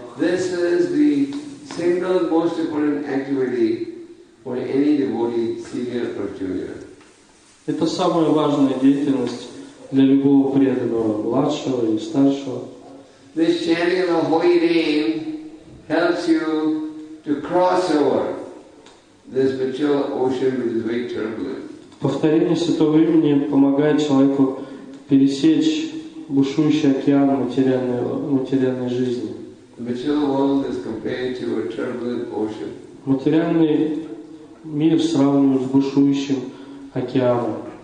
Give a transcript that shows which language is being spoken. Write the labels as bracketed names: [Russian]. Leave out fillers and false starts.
[English] This is the single most important activity for any devotee, senior or junior. [Russian] Это самая важная деятельность для любого преданного, младшего или старшего. [English] This chanting of the holy name helps you to cross over this material ocean which is very turbulent. [Russian] Повторение святого имени помогает человеку пересечь бушующий океан материальной жизни. Материальный мир сравнивают с бушующим океаном.